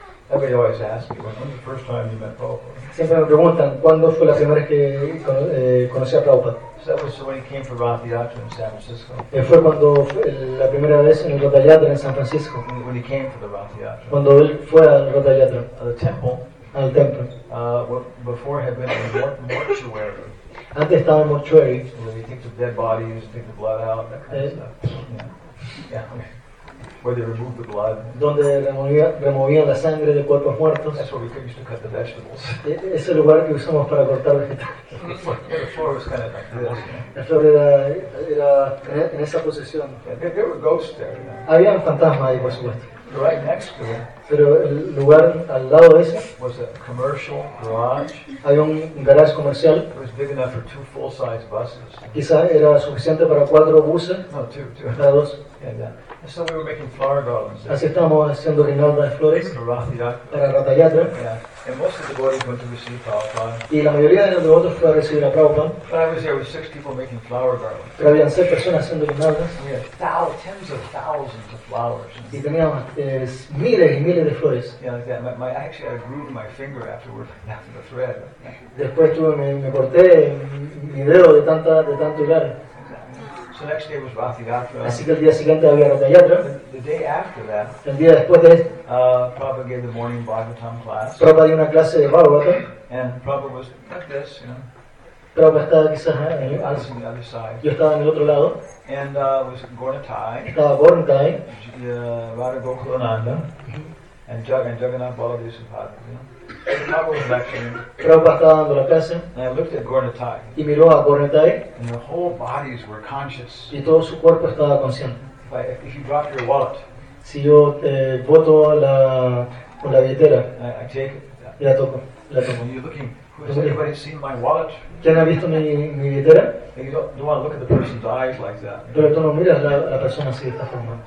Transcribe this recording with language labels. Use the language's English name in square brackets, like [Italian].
[English] Everybody always asks me, when was the first time you met Prabhupada? [Spanish] Siempre me preguntan, ¿cuándo fue la primera vez que conocí a Prabhupada? [English] So that was when he came for Rath Yatra in San Francisco. [Spanish] Fue cuando la primera vez en el Rath Yatra en San Francisco. [English] When he came for the Rath Yatra. [Spanish] Cuando él fue al Rath Yatra. Al templo. [English] Before had been in the mortuary. [Spanish] Antes estaba en mortuary. [English] And then he took the dead bodies, took the blood out, that kind of stuff. Yeah. Where they removed the blood. [Spanish] Donde removían la sangre de cuerpos muertos. [English] That's where we used to cut the vegetables. [Spanish] Es el lugar que usamos para cortar vegetales. [English] The floor was kind of like this. [Spanish] La flor era en esa posición. [English] There were ghosts there. Yeah. [Spanish] Habían fantasmas ahí, por supuesto. [English] Right next to it. [Spanish] Pero el lugar al lado de ese. [English] Was a commercial garage. [Spanish] Había un garage comercial. [English] It was big enough for two full-size buses. [Spanish] Quizá era suficiente para cuatro buses. [English] No, two. [Spanish] Para dos. [English] So we were making flower garlands. [Spanish] Así estábamos haciendo guirnaldas de flores para Rath Yatra. [English] Yeah. And most of the devotees went to receive Prabhupada. [Spanish] Y la mayoría de los devotos fue a recibir a Prabhupada. [English] But I was there with six people making flower garlands. [Spanish] Pero habían seis personas haciendo guirnaldas. [English] We had tens of thousands of flowers. [Spanish] Y teníamos miles y miles de flores. [English] Yeah, like that. I grew my finger afterward, after the thread. [Spanish] Después me corté mi dedo de tanto hilar. [English] So next day was Rath Yatra. [Spanish] Así que el día siguiente había Rath Yatra. [English] The day after that, [Spanish] el día después de esto, [English] Prabhupada gave the morning Bhagavatam class. [Spanish] Prabhupada dio una clase de Bhagavatam. [English] And Prabhupada was like this, you know. [Spanish] Prabhupada estaba quizás en el otro lado. [English] Other side. [Spanish] Yo estaba en el otro lado. [English] And was Gornatai. [Spanish] Estaba Gornatai. [English] Radha Gokulananda. And Jagannath Balabhi Sampada. You know. [Spanish] Prabhupada estaba dando la clase. [English] And I looked at Gornatai. [Spanish] Y miró a Gornatai. [English] And the whole bodies were conscious. [Spanish] Y todo su cuerpo estaba consciente. [English] If you drop your wallet, [Spanish] si yo boto la billetera, [English] I take it. [Spanish] Y la toco. [English] You're looking. Has anybody seen my wallet? [Spanish] ¿Quién ha visto mi billetera? [English] You don't want to look at the person's eyes like that. [Spanish] Pero tú no miras la persona así de esta forma.